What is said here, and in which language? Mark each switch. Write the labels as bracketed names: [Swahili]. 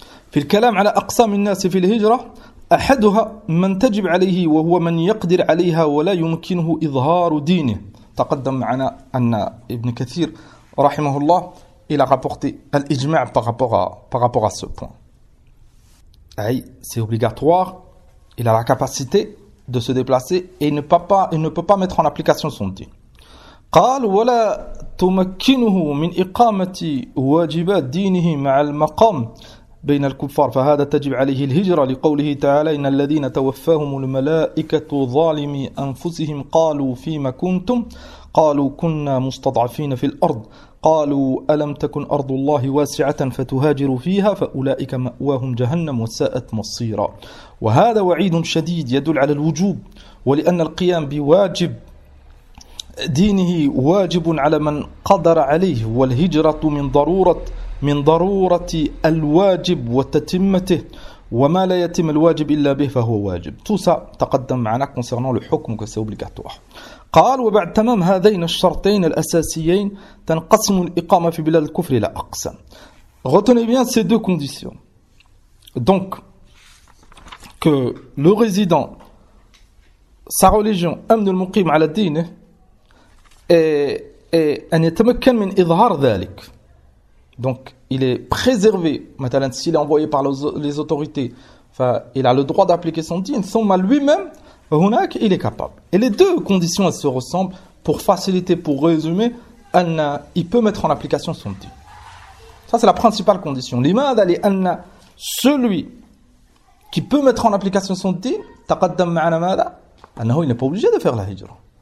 [Arabic] في الكلام على أقسام الناس في الهجرة أحدها من تجب عليه وهو من يقدر عليها ولا يمكنه إظهار دينه تقدم معنا أن ابن كثير رحمه الله [French] il a rapporté [Arabic] الإجماع [French] par rapport à ce point. [Arabic] أي [French] c'est obligatoire. Il a la capacité de se déplacer et ne peut pas mettre en application son dîn. [Arabic] قال ولا تمكنه من إقامة واجبات دينه مع المقام بين الكفار فهذا تجب عليه الهجرة لقوله تعالى إن الذين توفاهم الملائكة ظالمي أنفسهم قالوا فيما كنتم قالوا كنا مستضعفين في الأرض قالوا ألم تكن أرض الله واسعة فتهاجروا فيها فأولئك مأواهم جهنم وساءت مصيرا وهذا وعيد شديد يدل على الوجوب ولأن القيام بواجب دينه واجب على من قدر عليه والهجرة من ضرورة الواجب وتتمته وما لا يتم الواجب إلا به فهو واجب توسع تقدم معنا [French] concernant le [Arabic] حكم كسي [French] obligatoire. [Arabic] قال وبعد تمام هذين الشرطين الأساسيين تنقسم الإقامة في بلاد الكفر إلى أقسام. [French] Retenez bien ces deux conditions. Donc que le résident, sa religion, [Arabic] أمن المقيم على الدين [French] et [Arabic] أن يتمكن من إظهار ذلك. [French] Donc, il est préservé. Maintenant, s'il est envoyé par les autorités, enfin, il a le droit d'appliquer son dîn. Somme à lui-même, Hunak, il est capable. Et les deux conditions, elles se ressemblent. Pour faciliter, pour résumer, Anna, il peut mettre en application son dîn. Ça, c'est la principale condition. L'imad, elle est Anna, celui qui peut mettre en application son dîn, [Arabic] taqaddam ma'ana ma'ala, [French] Anna, il n'est pas obligé de faire la hijra.